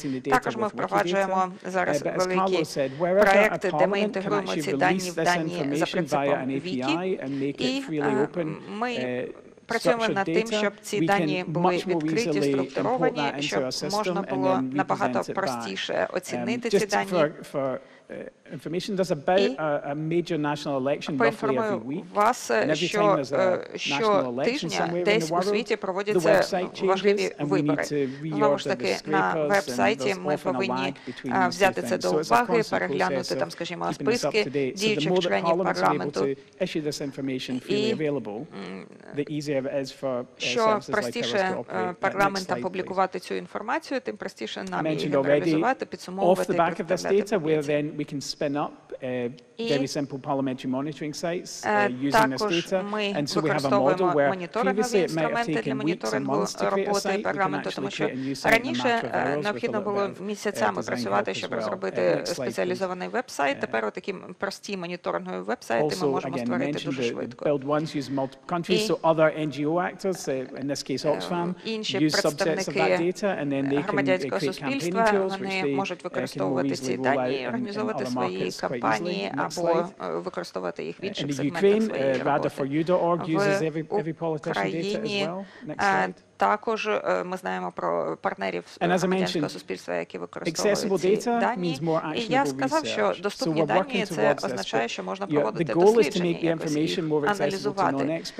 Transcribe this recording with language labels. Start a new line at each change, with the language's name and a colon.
Ukrainian: Також ми впроваджуємо зараз великі проекти, де ми інтегруємо ці дані в дані за принципом Wiki, і ми працюємо над тим, щоб ці дані були відкриті, структуровані, щоб можна було набагато простіше оцінити ці дані.
English: Information, there's about a major national election roughly every week, and every time there's a national election somewhere in the world, the website changes, and we need to reorganize the scrapers, and there's often a lag between these two things, so it's a constant process of keeping this up to date, so the more that Parliament is able to issue this information freely available, the easier it is for services like ours to operate. Next slide, please. I mentioned already, off the back of this data, where then we can spin up very simple parliamentary monitoring sites using this data. And so we have a model where previously it might have taken weeks and months to create a site, we can actually create a new site in a matter of hours with a little bit of design help as well. Next slide, specializovaný website.
Ukrainian: Тепер такі прості моніторингові вебсайти ми можемо створити дуже швидко.
English: Build once, use multiple countries. So other NGO actors, in this case Oxfam, use subsets of that data, and then they can create campaigning tools, which they can more easily roll out
Ukrainian: організовувати свої кампанії або використовувати їх в інших сегментах своєї роботи. В Україні також ми знаємо про партнерів громадянського суспільства, які використовують ці дані. І я сказав, що доступні дані – це означає, що можна проводити дослідження якось і аналізувати.